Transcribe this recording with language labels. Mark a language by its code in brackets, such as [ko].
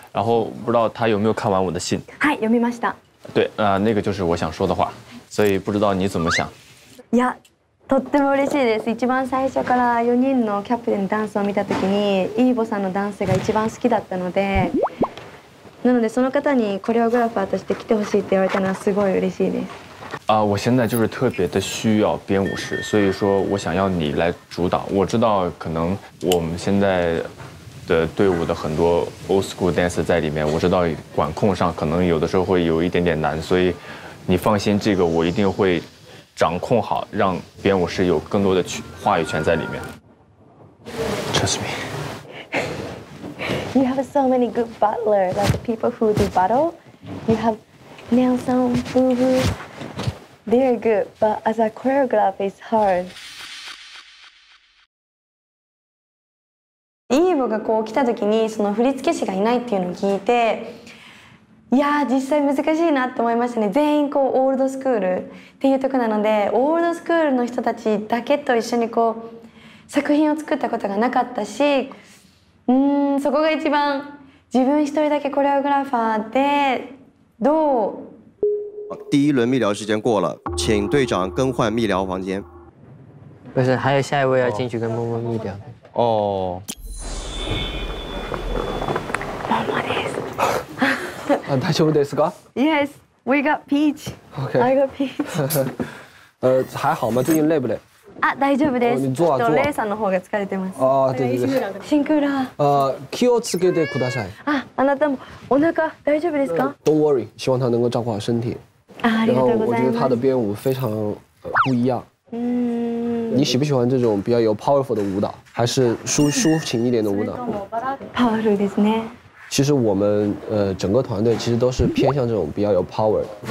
[zh] 然后不知道他有没有看完我的信？ [ja] はい、読みました。 [zh] 对，那个就是我想说的话，所以不知道你怎么想。 [ja] いや。とっても嬉しいです。一番最初から4人のキャプテンのダンスを見たときに、イーボさんのダンスが一番好きだったので、なのでその方にコレオグラファーとして来てほしいって言われたのはすごい嬉しいです。 [zh] 啊，我现在就是特别的需要编舞师，所以说我想要你来主导。我知道可能我们现在的队伍的很多 [en] old school dance [zh] 在里面，我知道管控上可能有的时候会有一点点难，所以你放心，这个我一定会。掌控好，让编舞师有更多的话语权在里面。 [en] Trust me. You have so many good butler, like people who do battle. You have Nelson, Boo Boo. They're good, but as a choreographer, it's hard. [ja] Evo がこう来た時にその振付師がいないっていうのを聞いて。いや実際難しいなと思いましたね。全員こうオールドスクールっていうとこなので、オールドスクールの人たちだけと一緒にこう作品を作ったことがなかったし、そこが一番自分一人だけコレオグラファーで。どう、 [zh] 第一轮密聊時間過了、请队长更换密聊房间。不是、还有下一位要进去跟某某密聊。哦。 [ja] 大丈夫ですか [en] ？Yes, we got peach. Okay, I got peach. [zh] 还好吗？最近累不累？ [ja] 啊，大丈夫です。 [zh] 你坐啊坐。 [ja] レイさんの方が疲れてます。 [zh] 啊，对对对。辛苦了。 [ja] 気をつけてください。啊，あなたもお腹大丈夫ですか？ [en] Don't worry, [zh] 希望他能够照顾好身体。 [ja] 啊，ありがとうございます。 [zh] 我觉得他的编舞非常不一样。你喜不喜欢这种比较有 powerful 的舞蹈，还是抒情一点的舞蹈 [ja] ？Powerful ですね。 [zh] 其实我们整个团队其实都是偏向这种比较有 power 的。